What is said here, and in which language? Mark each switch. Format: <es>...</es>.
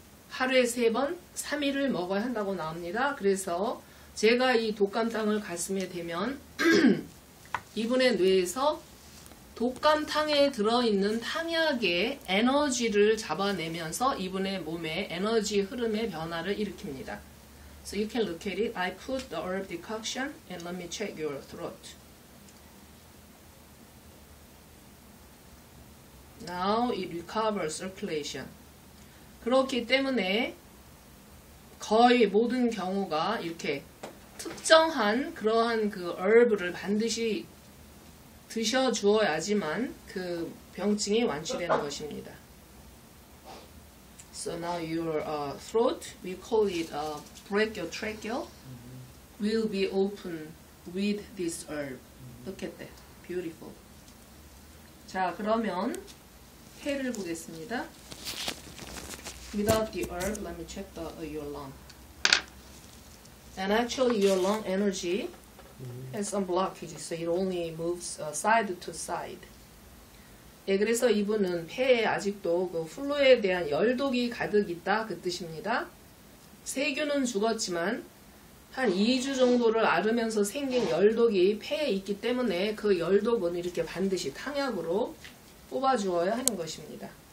<ko>하루에 세 번, 3일을 먹어야 한다고 나옵니다. 그래서 제가 이 독감탕을 가슴에 대면 이분의 뇌에서 독감탕에 들어있는 탕약의 에너지를 잡아내면서 이분의 몸에 에너지 흐름의 변화를 일으킵니다.</ko> <en>So you can look at it. I put the herb decoction and let me check your throat. Now it recovers circulation.</en> <ko>그렇기 때문에 거의 모든 경우가 이렇게 특정한 그러한 그 herb를 반드시 드셔주어야지만 그 병증이 완치되는 것입니다.</ko> <en>So now your throat, we call it a brachiotracheal, will be open with this herb. Look at that. Beautiful.</en> <ko>자, 그러면 폐를 보겠습니다.</ko> <en>Without the herb, let me check the, your lung. And actually your lung energy has some blockage, so it only moves side to side.</en> <ko>예, 그래서 이분은 폐에 아직도 그 플루에 대한 열독이 가득 있다 그 뜻입니다. 세균은 죽었지만 한 2주 정도를 앓으면서 생긴 열독이 폐에 있기 때문에 그 열독은 이렇게 반드시 탕약으로 뽑아주어야 하는 것입니다.</ko>